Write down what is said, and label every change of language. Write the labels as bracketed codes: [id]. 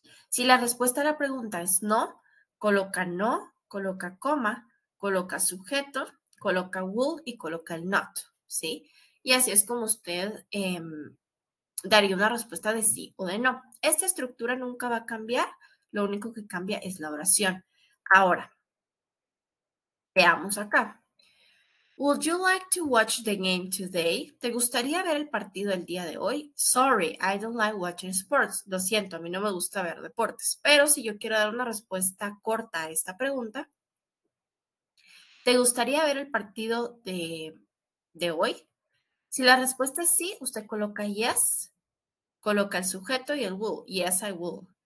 [es] Si la respuesta a la pregunta es no, coloca coma, coloca sujeto, coloca would y coloca el not, ¿sí? Y así es como usted daría una respuesta de sí o de no. Esta estructura nunca va a cambiar, lo único que cambia es la oración. Ahora, veamos acá. [en] Would you like to watch the game today? [es] ¿Te gustaría ver el partido el día de hoy? [en] Sorry, I don't like watching sports. [es] Lo siento, a mí no me gusta ver deportes. Pero si yo quiero dar una respuesta corta a esta pregunta, ¿te gustaría ver el partido de hoy? Si la respuesta es sí, usted coloca yes, coloca el sujeto y el will. [en] Yes, I will.